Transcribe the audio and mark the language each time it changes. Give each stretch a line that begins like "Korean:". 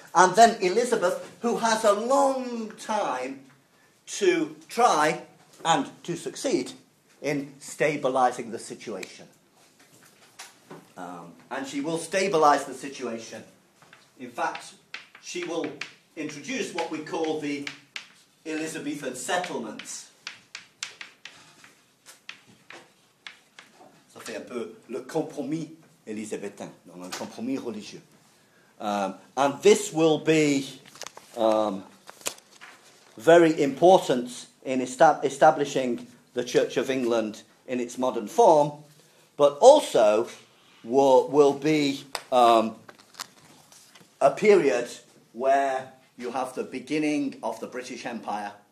English: And then Elizabeth, who has a long time to try and to succeed in stabilising the situation. And she will stabilise the situation. In fact, she will introduce what we call the Elizabethan settlements.
French: Un peu le compromis élisabétain, donc un compromis religieux.
English: And this will be very important in establishing the Church of England in its modern form, but also will be a period where you have the beginning of the British Empire.